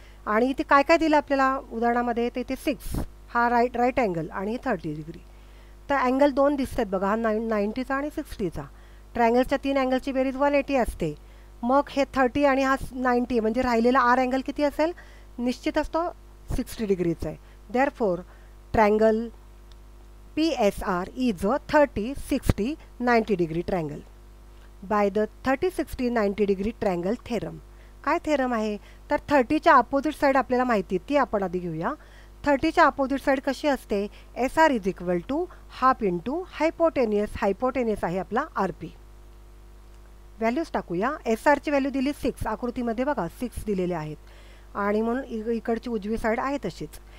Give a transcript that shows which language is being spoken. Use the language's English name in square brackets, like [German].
[Marathi] आणि इथे काय काय दिलं आपल्याला उदाहरणामध्ये, तर इथे 6 हा राईट अँगल आणि 30 डिग्री. तर अँगल 2 दिसत आहेत बघा, हा 90चा आणि 60चा. ट्रायंगलच्या तीन अँगलची बेरीज 180 असते. मग हे 30 आणि हा 90 म्हणजे राहिलेला आर अँगल किती असेल, निश्चित असतो 60 डिग्रीचा आहे. [English] Therefore triangle P S R is a 30-60-90 degree triangle by the 30-60-90 degree triangle theorem. [Marathi] काय थेरम आहे तर 30 अपोजिट साईड आपल्याला माहिती आहे ती आपण आधी घेऊया. [English] 30 opposite side [Marathi] कशी असते, [English] S R is equal to half into hypotenuse, hypotenuse [Marathi] आहे आपला आर पी. व्हॅल्यूज टाकूया, एस आरची व्हॅल्यू दिली 6, आकृतीमध्ये बघा 6 दिलेले आहेत आणि म्हणून इकडची उजवी साईड आहे तशीच.